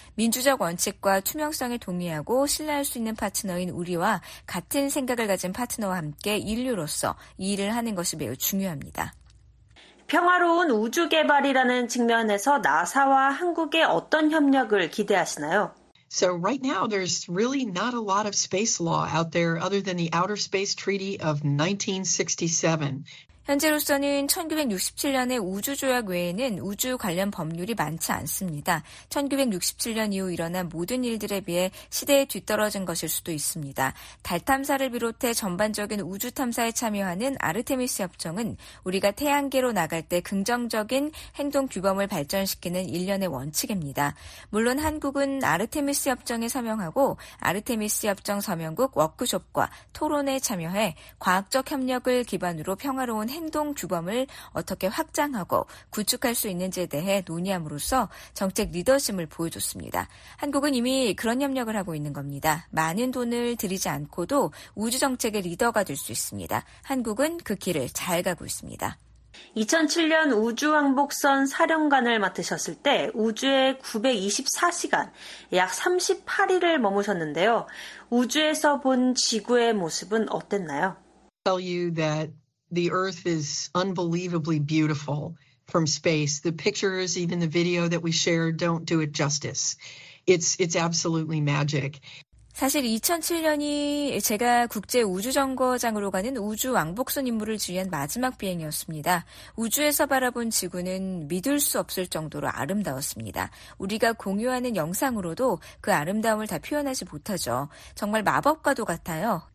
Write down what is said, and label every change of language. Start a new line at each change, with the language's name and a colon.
Korean: 민주적 원칙과 투명성에 동의하고 신뢰할 수 있는 파트너인 우리와 같은 생각을 가진 파트너와 함께 인류로서 이 일을 하는 것이 매우 중요합니다. 평화로운 우주 개발이라는 측면에서 나사와 한국의 어떤 협력을 기대하시나요?
English: So right now there's really not a lot of space law out there other than the Outer Space Treaty of 1967.
Korean: 현재로서는 1967년의 우주조약 외에는 우주 관련 법률이 많지 않습니다. 1967년 이후 일어난 모든 일들에 비해 시대에 뒤떨어진 것일 수도 있습니다. 달 탐사를 비롯해 전반적인 우주 탐사에 참여하는 아르테미스 협정은 우리가 태양계로 나갈 때 긍정적인 행동 규범을 발전시키는 일련의 원칙입니다. 물론 한국은 아르테미스 협정에 서명하고 아르테미스 협정 서명국 워크숍과 토론에 참여해 과학적 협력을 기반으로 평화로운 행동 규범을 어떻게 확장하고 구축할 수 있는지에 대해 논의함으로써 정책 리더십을 보여줬습니다. 한국은 이미 그런 협력을 하고 있는 겁니다. 많은 돈을 들이지 않고도 우주 정책의 리더가 될 수 있습니다. 한국은 그 길을 잘 가고 있습니다. 2007년 우주왕복선 사령관을 맡으셨을 때 우주에 924시간, 약 38일을 머무셨는데요. 우주에서 본 지구의 모습은 어땠나요?
English: Tell you that The Earth is unbelievably beautiful from space. The pictures, even the video that we shared, don't do it justice. It's absolutely magic.
Korean: 사실 2007년이 제가 국제 우주정거장으로 가는 우주 왕복선 임무를 지휘한 마지막 비행이었습니다. 우주에서 바라본 지구는 믿을 수 없을 정도로 아름다웠습니다. 우리가 공유하는 영상으로도 그 아름다움을 다 표현하지 못하죠. 정말 마법과도 같아요.